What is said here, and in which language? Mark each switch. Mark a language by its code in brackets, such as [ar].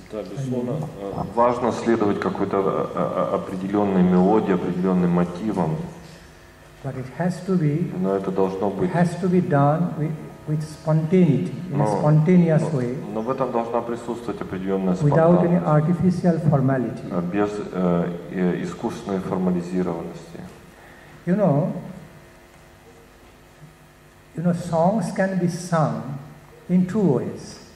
[ru] Да, безусловно, важно следовать какой-то определенной мелодии, определенным мотивам. [en] But it has to be. [ru] Но это должно быть. [en] Has to be done with spontaneity, in a spontaneous way. [ru] Но в этом должна присутствовать определенная спонтанность. [en] Without any artificial formality. [ru] Без искусственной формализированности. [en] You know, songs can be sung in two ways.